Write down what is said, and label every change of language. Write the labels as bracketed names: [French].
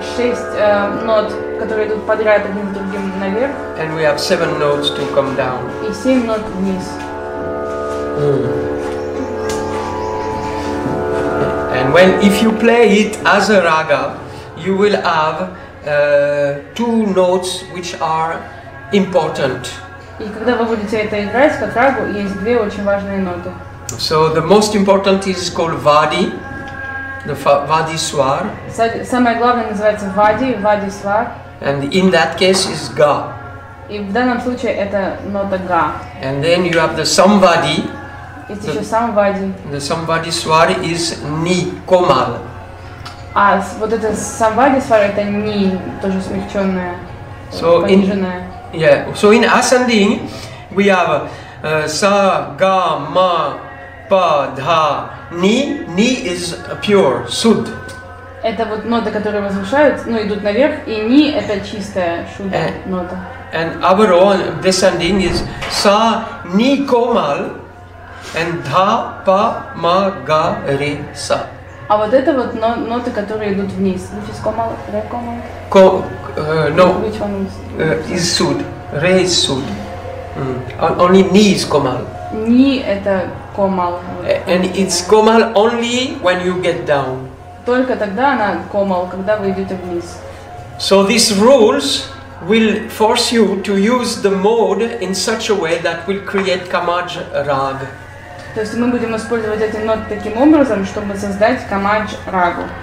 [Russian] Шесть нот, которые идут подряд одним с другим наверх. [English] And we have seven notes to come down. [Russian] И семь нот вниз. [English] And when if you play it as a raga, you will have two notes which are important. [Russian] И когда вы будете это играть как рагу, есть две очень важные ноты. [English] So the most important is called Vadi, the Vadi Swar. [Russian] Самое главное называется Vadi, Vadi Swar. [English] And in that case is Ga. [Russian] И в данном случае это нота Ga. [English] And then you have the Samvadi. [Russian] Есть еще Samvadi. [English] The Samvadi Swar is Ni Komal. [Russian] А вот это Samvadi Swar это Ni, тоже смягченное, пониженное. [English] So in ascending we have Sa Ga Ma. Pa, dha, ni. Ni is pure, sud. [Russian] Это вот ноты, которые возвышаются, ну, идут наверх, и ни – это чистая, шуда нота. [English] And abro, descending, is sa, ni, komal, and dha, pa, ma, ga, re, sa. [Russian] А вот это вот ноты, которые идут вниз. [English] Which is komal, re, komal? No. Which one is? Is sud. Re is sud. Only ni is komal. [Russian] Ni – это комал. [English] And it's комал only when you get down. [Russian] Только тогда она комал, когда вы идете вниз. [English] So these rules will force you to use the mode in such a way that will create Kamadja Rag. [Russian] То есть мы будем использовать эти ноты таким образом, чтобы создать Kamadja Рагу.